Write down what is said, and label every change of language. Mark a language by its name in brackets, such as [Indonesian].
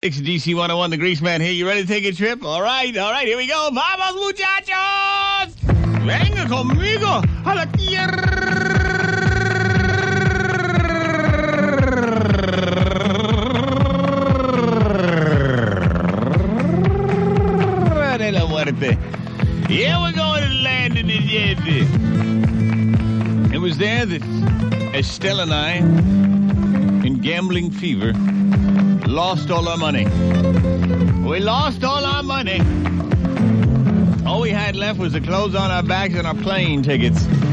[English] It's DC 101, the Grease Man here. You ready to take a trip? All right, here we go. [Spanish] Vamos, muchachos! Venga conmigo a la tierra de la muerte. [English] Here we go to land in the dead. It was there that Estelle and I, in gambling fever, lost all our money. We lost all our money. All we had left was the clothes on our backs and our plane tickets.